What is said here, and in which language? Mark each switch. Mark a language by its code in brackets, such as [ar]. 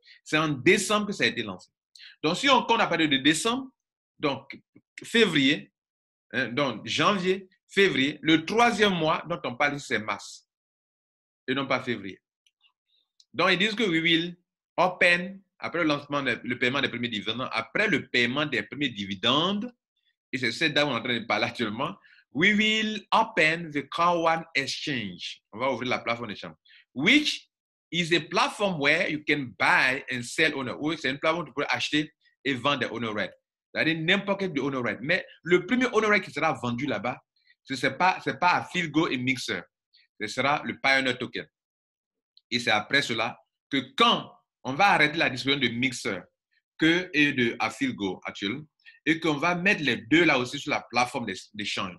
[fr] C'est en décembre que ça a été lancé. Donc, si on compte à partir de décembre, donc février, donc janvier, février, le troisième mois dont on parle, c'est mars. Et non pas février. Donc, ils disent que [en] we will open, [fr] après le lancement, le paiement des premiers dividendes, après le paiement des premiers dividendes, et c'est cette date où on est en train de parler actuellement, [en] we will open the Kawan Exchange. [fr] On va ouvrir la plateforme d'échange. [en] Which is a platform where you can buy and sell honor. [fr] Oui, c'est une plateforme où tu peux acheter et vendre des honor rights. C'est-à-dire n'importe quel de honor rights. Mais le premier honor right qui sera vendu là-bas, ce n'est pas, c'est pas à Filgo et Mixer. Ce sera le Pioneer Token. Et c'est après cela que quand on va arrêter la distribution de Mixer que et de Afilgo actuellement, et qu'on va mettre les deux là aussi sur la plateforme d'échange.